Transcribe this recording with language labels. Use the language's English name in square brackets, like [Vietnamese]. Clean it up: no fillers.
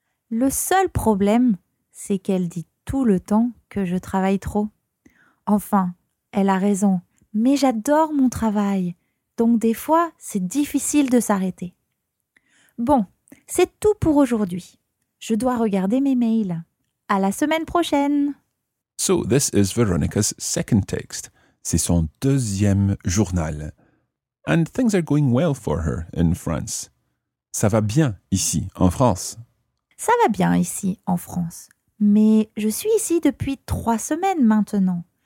[French] Le seul problème, c'est qu'elle dit tout le temps que je travaille trop. Enfin, elle a raison, mais j'adore mon travail, donc des fois, c'est difficile de s'arrêter. Bon, c'est tout pour aujourd'hui. Je dois regarder mes mails. À la semaine prochaine! [English] So, this is Veronica's second text. [French] C'est son deuxième journal. [English] And things are going well for her in France. [French] Ça va bien ici, en France. Ça va bien ici, en France. Mais je suis ici depuis 3 semaines maintenant.